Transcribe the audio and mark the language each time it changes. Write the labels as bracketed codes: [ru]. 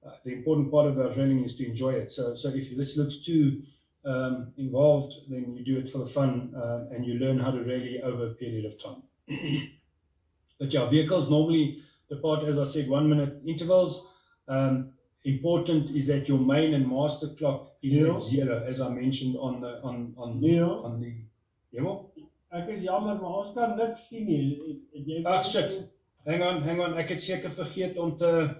[en] The important part of our training is to enjoy it. So if this looks too involved, then you do it for the fun and you learn how to rally over a period of time. But yeah, vehicles normally depart, as I said, 1 minute intervals. Important is that your main and master clock is at zero, as I mentioned on the demo. [af] Ek is jammer, maar ons kan niks sien nie. Ach [en] shit, hang on, [af] ek het seker vergeet om te